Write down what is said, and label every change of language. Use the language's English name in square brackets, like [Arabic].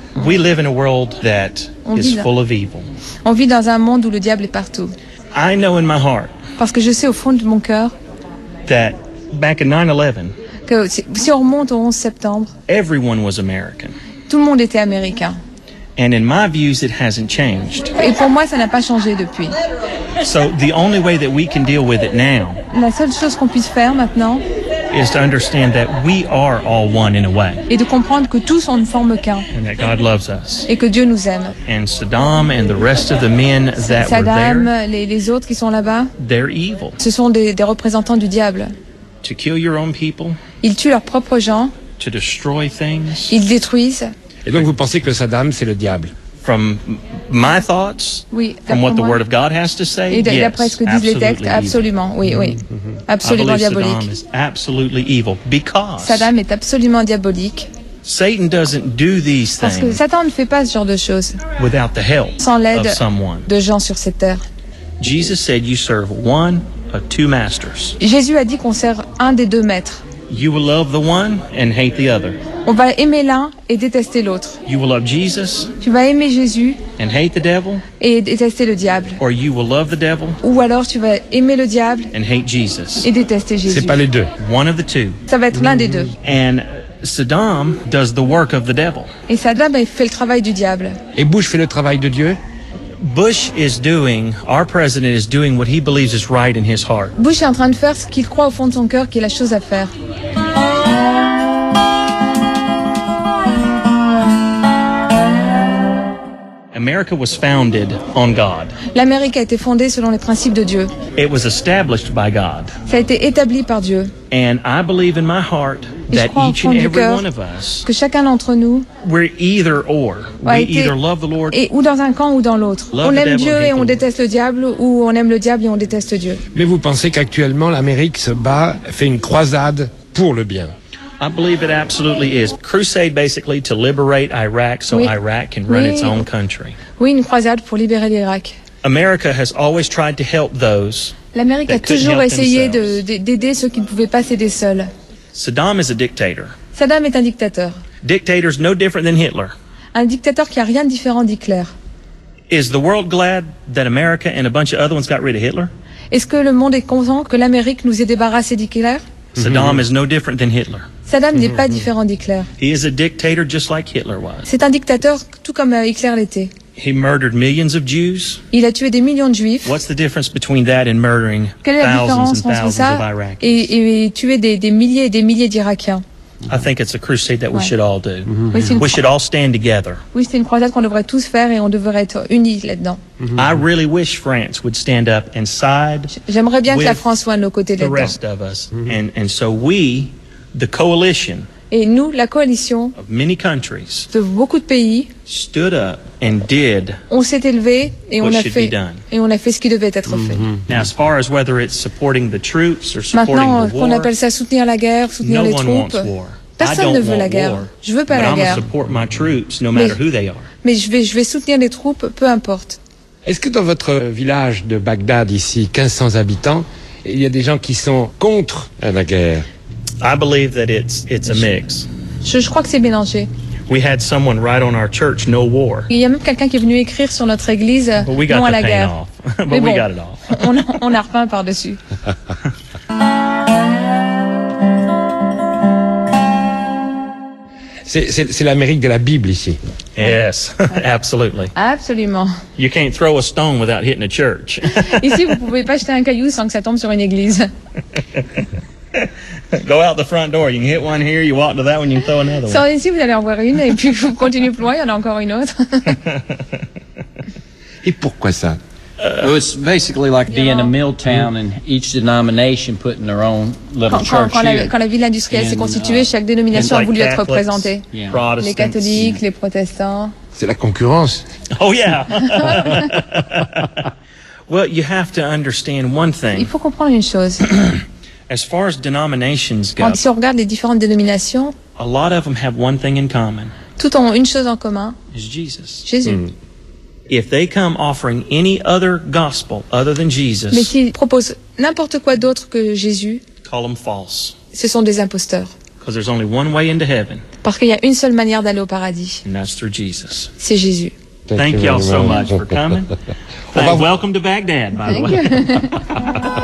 [English] we live in a world that is full of evil. [French] On vit dans un monde où le diable est partout. [English] I know in my heart. [French] Parce que je sais au fond de mon cœur. [English] That back in 9/11. [French] Que si on remonte au 11 septembre. [English] Everyone was American. [French] Tout le monde était américain. [English] And in my views, it hasn't changed. [French] Et pour moi, ça n'a pas changé depuis. [English] So the only way that we can deal with it now. [French] La seule chose qu'on puisse faire maintenant. [English] Is to understand that we are all one in a way. [French] Et de comprendre que tous on ne forme qu'un. [English] And that God loves us. [French] Et que Dieu nous aime. [English] And Saddam and the rest of the men that [French] Saddam, [English] were there. [French] Les autres qui sont là-bas. [English] They're evil. [French] Ce sont des représentants du diable. [English] To kill your own people. [French] Ils tuent leurs propres gens. [English] To destroy things. [French] Ils détruisent. Et donc vous pensez que Saddam c'est le diable? [English] From my thoughts. [French] Oui, [English] from what [French] moi. [English] The word of God has to say. [French] Et d'après [English] yes, [French] ce que disent les textes, absolument. Oui, oui. Absolument diabolique. [English] Saddam is absolutely evil because [French] Saddam est absolument diabolique. [English] Satan doesn't do these things. [French] Parce que Satan ne fait pas ce genre de choses. [English] Without the help [French] sans l'aide [English] of someone. [French] De gens sur cette terre. [English] Jesus said you serve one of two masters. [French] Jésus a dit qu'on sert un des deux maîtres. [English] You will love the one and hate the other. [French] On va aimer l'un et détester l'autre. [English] You will love Jesus. [French] Tu vas aimer Jésus. [English] And hate the devil. [French] Et détester le diable. [English] Or you will love the devil. [French] Ou alors tu vas aimer le diable. [English] And hate Jesus. [French] Et détester Jésus. C'est pas les deux. [English] One of the two. [French] Ça va être l'un des deux. [English] And Saddam does the work of the devil. [French] Et Saddam fait le travail du diable. Et Bush fait le travail de Dieu. [English] Bush is doing, our president is doing what he believes is right in his heart. [French] Bush est en train de faire ce qu'il croit au fond de son cœur qui est la chose à faire. [English] America was founded on God. [French] L'Amérique a été fondée selon les principes de Dieu. [English] It was established by God. [French] Ça a été établi par Dieu. [English] And I believe in my heart that each and every one of us, [French] que chacun d'entre nous, [English] we're either or. We either love the Lord, [French] et ou dans un camp ou dans l'autre. On aime Dieu et on déteste le diable, ou on aime le diable et on déteste Dieu. Mais vous pensez qu'actuellement l'Amérique se bat, fait une croisade pour le bien? [English] I believe it absolutely is. Crusade basically to liberate Iraq so [French] oui. [English] Iraq can run its own country. [French] Oui, une croisade pour libérer l'Irak. [English] America has always tried to help those. [French] L'Amérique a toujours essayé d'aider ceux qui ne pouvaient pas s'aider seuls. [English] Saddam is a dictator. [French] Saddam est un dictateur. [English] Dictators no different than Hitler. [French] Un dictateur qui a rien de différent d'Hitler. [English] Is the world glad that America and a bunch of other ones got rid of Hitler? [French] Est-ce que le monde est content que l'Amérique nous ait débarrassé d'Hitler? [English] Saddam is no different than Hitler. [French] Saddam n'est pas différent d'Hitler. [English] He is a dictator just like Hitler was. [French] C'est un dictateur tout comme Hitler l'était. [English] He murdered millions of Jews. [French] Il a tué des millions de Juifs. [English] What's the difference between that and murdering thousands and thousands of Iraqis? [French] Quelle est la différence entre ça et tuer des milliers et des milliers d'Irakiens? [English] I think it's a crusade that we should all do. [French] Oui, [English] we should all stand together. [French] Oui, c'est une croisade qu'on devrait tous faire et on devrait être unis là-dedans. [English] I really wish France would stand up and side. [French] J'aimerais bien que la France soit à nos côtés là-dedans. [English] The rest of us, and so we, the coalition. [French] Et nous, la coalition. [English] Of many countries. [French] De beaucoup de pays. [English] Stood up and did. [French] On s'est élevé et on a fait. [English] What should be done. [French] Et on a fait ce qui devait être fait. [English] Now, as far as whether it's supporting the troops or supporting [French] Maintenant, [English] the war. [French] Maintenant, qu'on appelle ça soutenir la guerre, soutenir [English] no [French] les troupes. [English] No one wants war. [French] Personne ne veut la guerre. [English] War, [French] je veux pas la [English] I'm [French] guerre. [English] Support my troops, no matter who they are. [French] Mais je vais soutenir les troupes, peu importe. Est-ce que dans votre village de Bagdad, ici, 1500 habitants, il y a des gens qui sont contre la guerre? [English] I believe that it's a mix. [French] Je crois que c'est mélangé. [English] We had someone write on our church, no war. [French] Il y a même quelqu'un qui est venu écrire sur notre église, non à la guerre. [English] But we got it off. [French] on a repeint par-dessus. C'est l'Amérique de la Bible ici. [English] Yes, absolutely. [French] Absolument. [English] You can't throw a stone without hitting a church. [French] Ici, vous pouvez pas jeter un caillou sans que ça tombe sur une église. [English] Go out the front door. You can hit one here. You walk to that one. You can throw another [French] sans [English] one. [French] Ici, vous allez en voir une et puis vous continuez plus loin. Il y en a encore une autre. Et pourquoi ça? [English] It was basically like being a mill town and each denomination putting their own little church here. [French] Quand la ville industrielle s'est constituée, chaque dénomination a voulu être représentée. Les catholiques, les protestants. C'est la concurrence. [English] Oh yeah. Well, you have to understand one thing. [French] Il faut comprendre une chose. [English] As far as denominations go, [French] si on regarde les différentes dénominations, [English] a lot of them have one thing in common. [French] Toutes ont une chose en commun. [English] It's Jesus. [French] Jésus. Mm. [English] If they come offering any other gospel other than Jesus, [French] mais s'ils proposent n'importe quoi d'autre que Jésus, [English] call them false. [French] Ce sont des imposteurs. [English] Because there's only one way into heaven. [French] Parce qu'il y a une seule manière d'aller au paradis. [English] And that's through Jesus. [French] C'est Jésus. [English] Thank you all so much for coming. Welcome to Baghdad, by the way.